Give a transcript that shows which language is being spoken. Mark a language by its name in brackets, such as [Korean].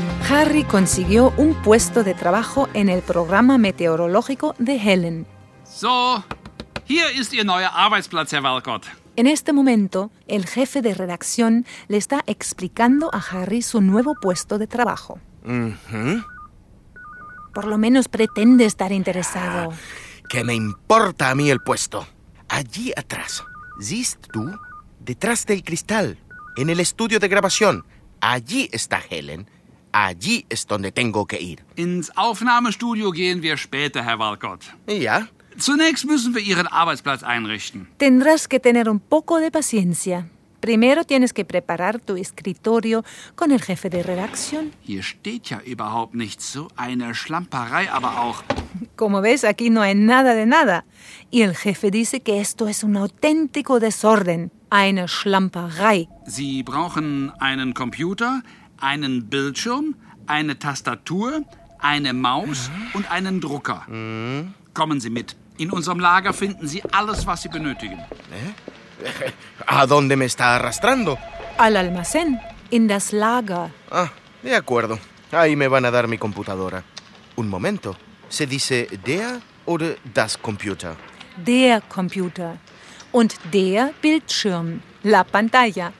[Spanish] Harry consiguió un puesto de trabajo en el programa meteorológico de Helen. [German] So, hier ist Ihr neuer Arbeitsplatz, Herr Walcott. [Spanish] En este momento, el jefe de redacción le está explicando a Harry su nuevo puesto de trabajo. Mm-hmm. Por lo menos pretende estar interesado. ¿Qué me importa a mí el puesto? Allí atrás, ¿sí tú? Detrás del cristal, en el estudio de grabación, allí está Helen. Allí es donde tengo que ir. [German] Ins Aufnahmestudio gehen wir später, Herr Walcott. Ja. Zunächst müssen wir Ihren Arbeitsplatz einrichten. [Spanish] Tendrás que tener un poco de paciencia. Primero tienes que preparar tu escritorio con el jefe de redacción. [German] Hier steht ja überhaupt nichts. So eine Schlamperei, aber auch... [Spanish] Como ves, aquí no hay nada de nada. Y el jefe dice que esto es un auténtico desorden. [German] Eine Schlamperei. Sie brauchen einen Computer... Einen Bildschirm, eine Tastatur, eine Maus und einen Drucker. Kommen Sie mit. In unserem Lager finden Sie alles, was Sie benötigen. [Spanish] ¿A dónde me está arrastrando? Al almacén. [German] In das Lager. [Spanish] Ah, de acuerdo. Ahí me van a dar mi computadora. Un momento. ¿Se dice [German] der oder das [Spanish] Computer? [German] Der Computer. Und der Bildschirm. [Spanish] La pantalla.